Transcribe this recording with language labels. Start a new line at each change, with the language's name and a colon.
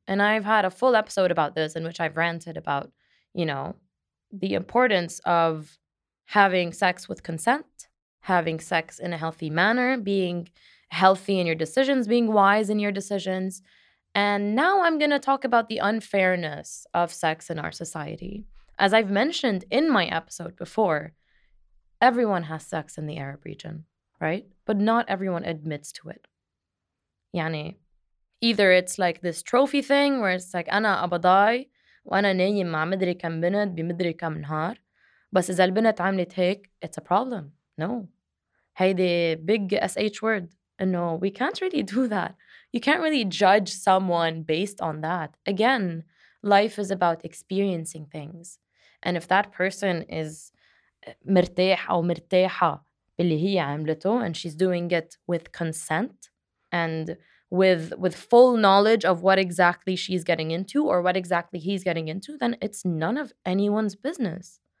English: And I've had a full episode about this in which I've ranted about, you know, the importance of having sex with consent, having sex in a healthy manner, being healthy in your decisions, being wise in your decisions. And now I'm going to talk about the unfairness of sex in our society. As I've mentioned in my episode before, everyone has sex in the Arab region, right? But not everyone admits to it.
Arabic: يعني,
English: either it's like this trophy thing where it's like,
Arabic: أنا أبضاي وأنا نايم مع مدري كم بنت بمدري كم نهار. بس إذا البنت عملت هيك,
English: it's a problem. No.
Arabic: هيدي
English: big SH word. No, we can't really do that. You can't really judge someone based on that. Again, life is about experiencing things. And if that person is
Arabic: مرتاح أو مرتاحة باللي هي عملته
English: and she's doing it with consent and with full knowledge of what exactly she's getting into or what exactly he's getting into, then it's none of anyone's business.